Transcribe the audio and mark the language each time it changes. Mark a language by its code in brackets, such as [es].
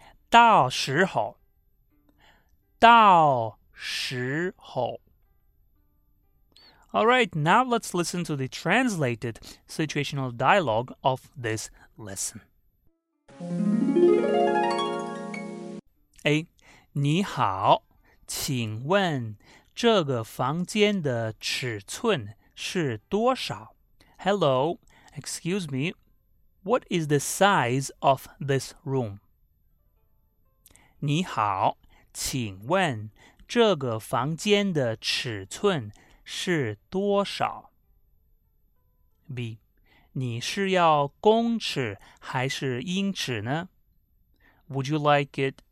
[zh] 到时候。到时候。 [en] All right, now let's listen to the translated situational dialogue of this lesson. A. [zh] 你好，请问这个房间的尺寸是多少? [en] Hello, excuse me, what is the size of this room? [zh] 你好，请问这个房间的尺寸是多少? B, 你是要公尺还是英尺呢? [en] Would you like it?